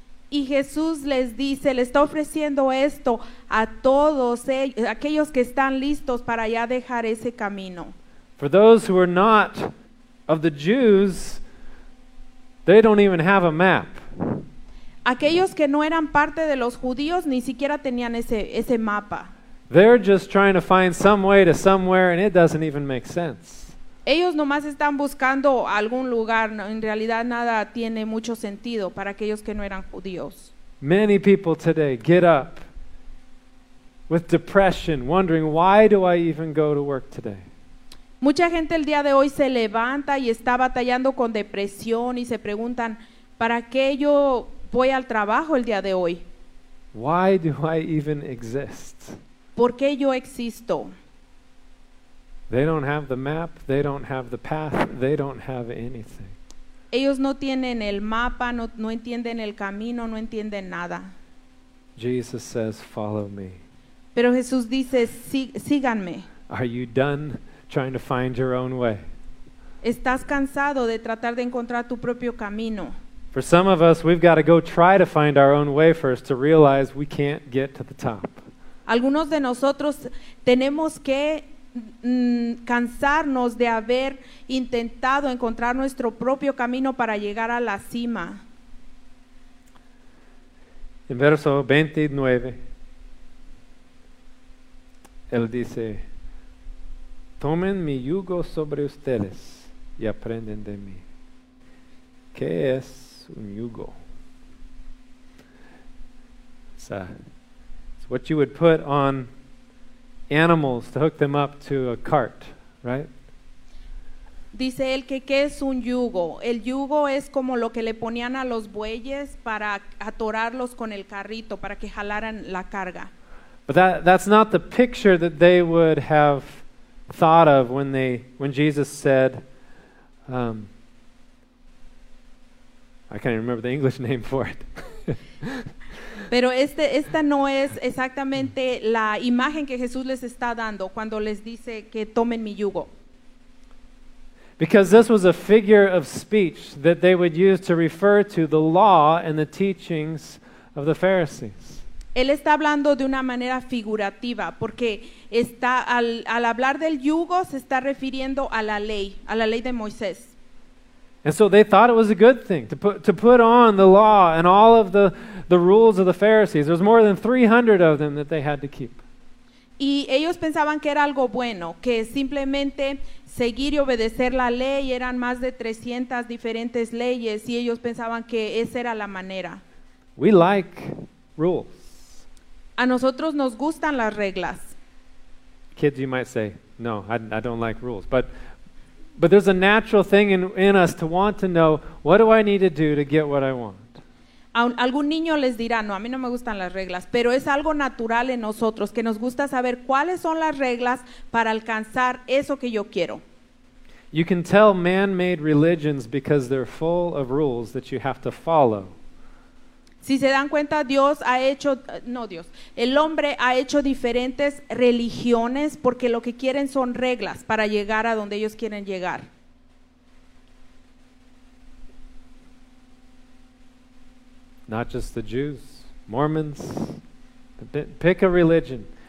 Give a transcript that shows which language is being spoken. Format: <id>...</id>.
<es>Y Jesús les dice, le está ofreciendo esto a todos ellos, aquellos que están listos para ya dejar ese camino.</es> <en>For those who are not of the Jews, they don't even have a map.</en> <es>Aquellos que no eran parte de los judíos ni siquiera tenían ese mapa.</es> <en>They're just trying to find some way to somewhere and it doesn't even make sense.</en> <es>Ellos nomás están buscando algún lugar, en realidad nada tiene mucho sentido para aquellos que no eran judíos.</es> <en>Many people today get up with depression, wondering why do I even go to work today?</en> <es>Mucha gente el día de hoy se levanta y está batallando con depresión y se preguntan, ¿para qué yo voy al trabajo el día de hoy?</es> <en>Why do I even exist?</en> <es>¿Por qué yo existo?</es> <en>They don't have the map, they don't have the path, they don't have anything.</en> <es>Ellos no tienen el mapa, no entienden el camino, no entienden nada.</es> <en>Jesus says, follow me.</en> <es>Pero Jesús dice, síganme.</es> <en>Are you done trying to find your own way?</en> <es>¿Estás cansado de tratar de encontrar tu propio camino?</es> <en>For some of us, we've got to go try to find our own way first to realize we can't get to the top.</en> <es>Algunos de nosotros tenemos que cansarnos de haber intentado encontrar nuestro propio camino para llegar a la cima. En verso 29, él dice, tomen mi yugo sobre ustedes y aprenden de mí. ¿Qué es un yugo?</es> <en>It's what you would put on animals to hook them up to a cart, right?</en> <es>Dice él que qué es un yugo. El yugo es como lo que le ponían a los bueyes para atorarlos con el carrito, para que jalaran la carga.</es> <en>But that's not the picture that they would have thought of when Jesus said, I can't even remember the English name for it.</en> <es>Pero esta no es exactamente la imagen que Jesús les está dando cuando les dice que tomen mi yugo.</es> <en>Because this was a figure of speech that they would use to refer to the law and the teachings of the Pharisees.</en> <es>Él está hablando de una manera figurativa porque está al hablar del yugo se está refiriendo a la ley de Moisés.</es> <en>And so they thought it was a good thing to put on the law and all of the rules of the Pharisees. There was more than 300 of them that they had to keep.</en> <es>Y ellos pensaban que era algo bueno, que simplemente seguir y obedecer la ley, eran más de 300 diferentes leyes, y ellos pensaban que esa era la manera.</es> <en>We like rules.</en> <es>A nosotros nos gustan las reglas.</es> <en>Kids, you might say, no, I don't like rules, But there's a natural thing in us to want to know, what do I need to do to get what I want?</en> <es>Algún niño les dirá, no, a mí no me gustan las reglas, pero es algo natural en nosotros, que nos gusta saber cuáles son las reglas para alcanzar eso que yo quiero.</es> <en>You can tell man-made religions because they're full of rules that you have to follow.</en> <es>Si se dan cuenta, Dios ha hecho, no Dios, el hombre ha hecho diferentes religiones porque lo que quieren son reglas para llegar a donde ellos quieren llegar.</es> <en>Not just the Jews, Mormons, pick a religion.</en>